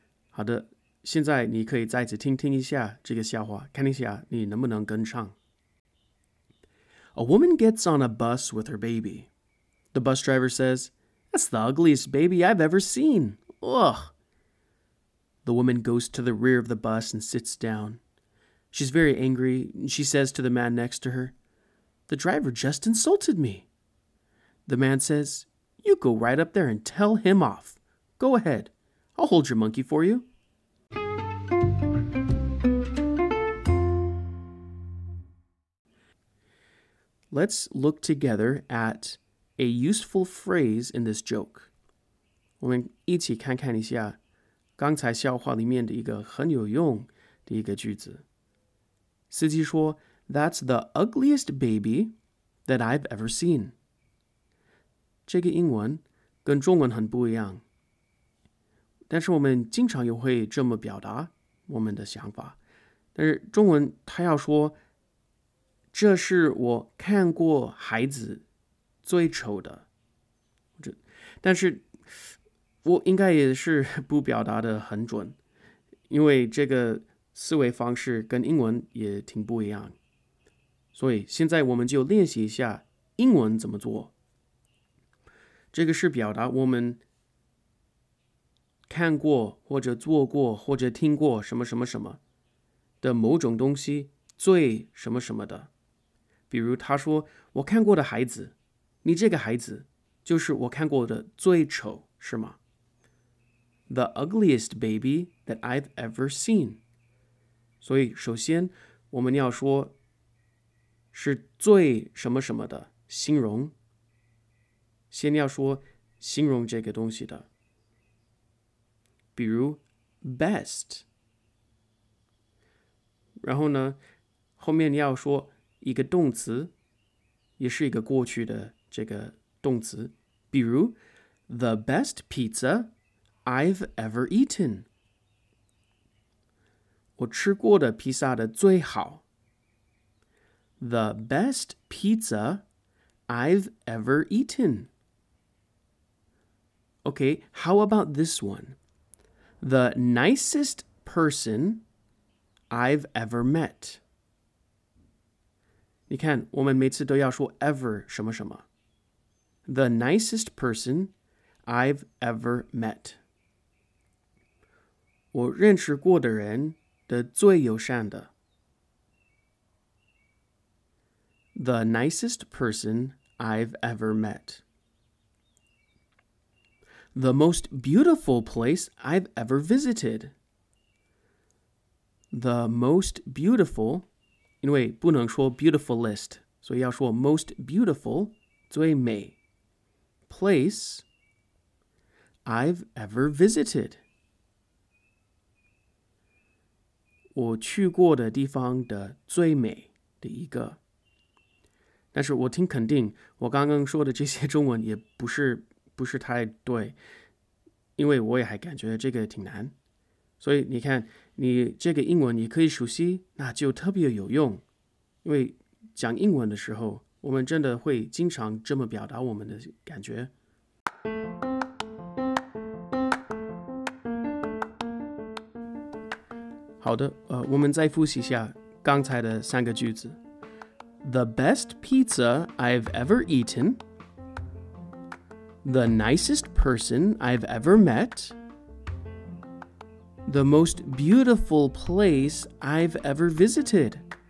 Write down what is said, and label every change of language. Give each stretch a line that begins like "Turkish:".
Chinese: 好的，现在你可以再次听一下这个笑话，看一下你能不能跟上。
English: A woman gets on a bus with her baby. The bus driver says, That's the ugliest baby I've ever seen. Ugh. The woman goes to the rear of the bus and sits down. She's very angry. She says to the man next to her, The driver just insulted me. The man says, You go right up there and tell him off. Go ahead. I'll hold your monkey for you. Let's look together at a useful phrase in this joke.
Chinese: 我们一起看看一下刚才笑话里面的一个很有用的一个句子。司机说,
English: That's the ugliest baby that I've ever seen.
Chinese: 这个英文跟中文很不一样，但是我们经常也会这么表达我们的想法。但是中文他要说，这是我看过孩子最丑的。但是我应该也是不表达的很准，因为这个思维方式跟英文也挺不一样。所以现在我们就练习一下英文怎么做。这个是表达我们看过或者做过或者听过什么什么什么的某种东西最什么什么的。比如他说我看过的孩子，你这个孩子就是我看过的最丑，是吗？
English: The ugliest baby that I've ever seen.
Chinese: 所以首先我们要说是最什么什么的形容。先要说形容这个东西的，比如 best， 然后呢，后面要说一个动词，也是一个过去的这个动词，比如
English: the best pizza I've ever eaten，
Chinese: 我吃过的披萨的最好 ，
English: the best pizza I've ever eaten。 Okay, how about this one? The nicest person I've ever met.
Chinese: 你看，我们每次都要说 ever 什么什么。
English: The nicest person I've ever met.
Chinese: 我认识过的人的最友善的。
English: The nicest person I've ever met. The most beautiful place I've ever visited. The most beautiful,
Chinese: 因为不能说
English: beautifulest,
Chinese: 所以要说
English: most beautiful,
Chinese: 最美
English: place I've ever visited.
Chinese: 我去过的地方的最美的一个。但是我挺肯定，我刚刚说的这些中文也不是太对，因为我也还感觉这个挺难。所以你看，你这个英文你可以熟悉，那就特别有用，因为讲英文的时候，我们真的会经常这么表达我们的感觉。好的，我们再复习一下刚才的三个句子。
English: The best pizza I've ever eaten. The nicest person I've ever met. The most beautiful place I've ever visited.